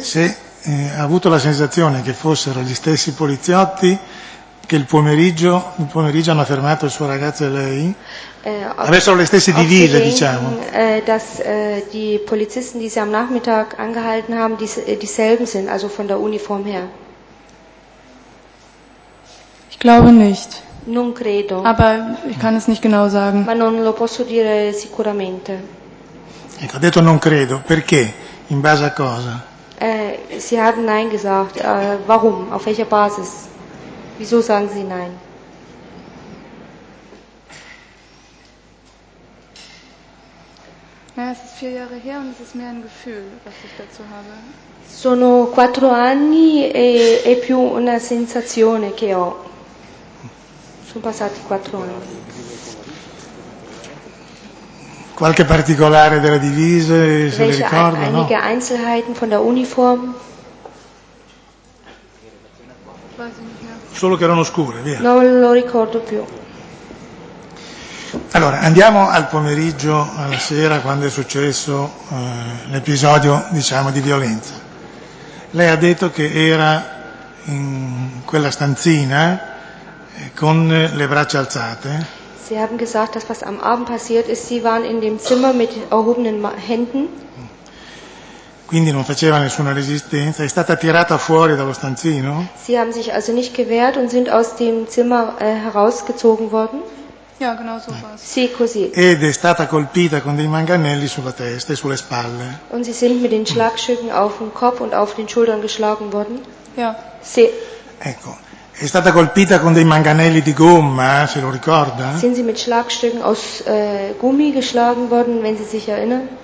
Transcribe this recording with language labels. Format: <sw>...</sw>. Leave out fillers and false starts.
<it>Sì, ha avuto la sensazione che fossero gli stessi poliziotti che il pomeriggio hanno fermato il suo ragazzo e lei? Avessero le stesse divise,</it> <de>denken,</de> <it>diciamo.</it> <de>Dass die Polizisten, die Sie am Nachmittag angehalten haben, dieselben sind, also von der Uniform her? Ich glaube nicht.</de> <it>Non credo.</it> <de>Aber ich kann es nicht genau sagen.</de> <it>Ma non lo posso dire sicuramente. Ecco, ha detto non credo. Perché? In base a cosa?</it> <de>Sie haben nein gesagt. Warum? Auf welcher Basis? Wieso sagen Sie nein? Naja, es ist 4 Jahre her und es ist mehr ein Gefühl, was ich dazu habe.</de> <it>Sono 4 anni e è più una sensazione che ho. Sono passati 4 anni. Qualche particolare della divisa, se le ricordo, no?</it> <de>Welche Einzelheiten von der Uniform?</de> <it>Solo che erano scure, via. Non lo ricordo più. Allora, andiamo al pomeriggio, alla sera, quando è successo l'episodio, diciamo, di violenza. Lei ha detto che era in quella stanzina con le braccia alzate.</it> <de>Sie haben gesagt, dass was am Abend passiert ist, Sie waren in dem Zimmer mit erhobenen Händen.</de> <it>Quindi non faceva nessuna resistenza, è stata tirata fuori dallo stanzino.</it> <de>Sie haben sich also nicht gewehrt und sind aus dem Zimmer herausgezogen worden. Ja, genau so war's.</de> <it>Sì, così. Ed è stata colpita con dei manganelli sulla testa e sulle spalle.</it> <de>Und sie sind mit den Schlagstücken auf dem Kopf und auf den Schultern geschlagen worden. Ja.</de> <it>Sì. Ecco. È stata colpita con dei manganelli di gomma, se lo ricorda?</it> <de>Sind sie mit Schlagstücken aus Gummi geschlagen worden, wenn Sie sich erinnern?</de>